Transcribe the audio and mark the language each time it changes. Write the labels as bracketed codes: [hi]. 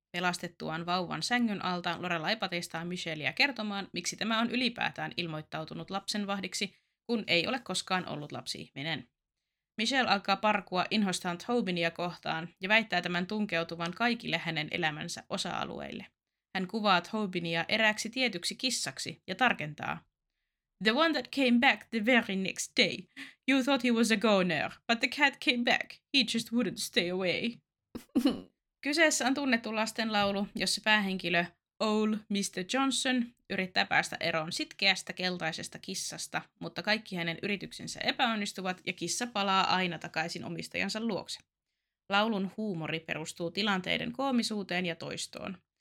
[fi] Pelastettuaan vauvan sängyn alta, Lorelai patistaa Michelleä kertomaan, miksi tämä on ylipäätään ilmoittautunut lapsenvahdiksi, kun ei ole koskaan ollut lapsi-ihminen. Michelle alkaa parkua inhostaan Tobinia kohtaan ja väittää tämän tunkeutuvan kaikille hänen elämänsä osa-alueille. Hän kuvaa Tobinia erääksi tietyksi kissaksi ja tarkentaa. [en] The one that came back the very next day. You thought he was a goner, but the cat came back. He just wouldn't stay away. [fi] Kyseessä on tunnettu lastenlaulu, jossa päähenkilö Old Mr. Johnson yrittää päästä eroon sitkeästä keltaisesta kissasta, mutta kaikki hänen yrityksensä epäonnistuvat ja kissa palaa aina takaisin omistajansa luokse. Laulun huumori perustuu tilanteiden koomisuuteen ja toistoon.